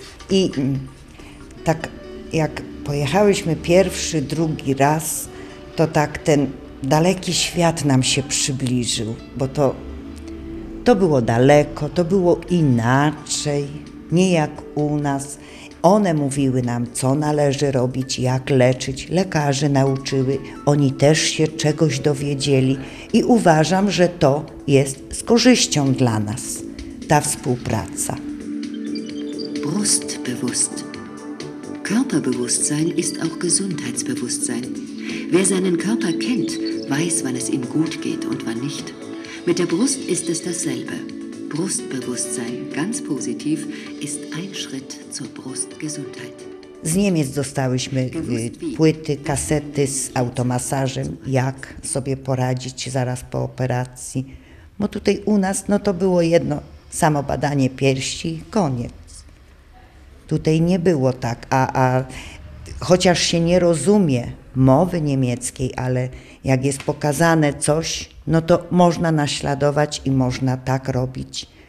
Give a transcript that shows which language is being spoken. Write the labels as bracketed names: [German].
[Polish] I tak jak pojechałyśmy pierwszy, drugi raz, to tak ten daleki świat nam się przybliżył, bo to było daleko, to było inaczej, nie jak u nas. One mówiły nam, co należy robić, jak leczyć. Lekarze nauczyły, oni też się czegoś dowiedzieli. I uważam, że to jest z korzyścią dla nas, ta współpraca. [German] Brustbewusst. Körperbewusstsein ist auch Gesundheitsbewusstsein. Wer seinen Körper kennt, weiß, wann es ihm gut geht und wann nicht. Mit der Brust ist es dasselbe. Brustbewusstsein, ganz positiv, ist ein Schritt zur Brustgesundheit. [Polish] Z Niemiec dostałyśmy płyty, kasety z automasażem, jak sobie poradzić zaraz po operacji. Bo tutaj u nas no to było jedno, samo badanie piersi, koniec. Tutaj nie było tak, a chociaż się nie rozumie mowy niemieckiej, ale jak jest pokazane coś, no to można naśladować i można tak robić.